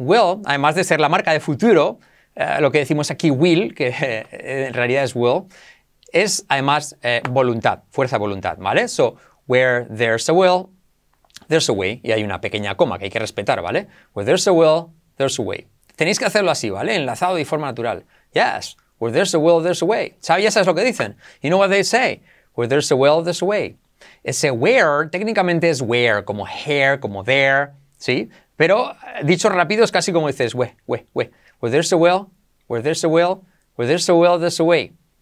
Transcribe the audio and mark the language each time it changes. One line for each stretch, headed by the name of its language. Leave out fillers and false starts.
Spanish: Will, además de ser la marca de futuro, lo que decimos aquí will, que en realidad es will, es además voluntad, fuerza voluntad, ¿vale?
English: So, where there's a will, there's a way.
Spanish: Y hay una pequeña coma que hay que respetar, ¿vale?
English: Where there's a will, there's a way.
Spanish: Tenéis que hacerlo así, ¿vale? Enlazado de forma natural. Yes.
English: Where there's a will, there's a way.
Spanish: ¿Sabes? Ya sabes lo que dicen.
English: You know what they say. Where there's a will, there's a way.
Spanish: Ese where, técnicamente es where, como here, como there, ¿sí? Pero dicho rápido es casi como dices, we.
English: Where there's a will, where there's a will, where there's a will, there's a way.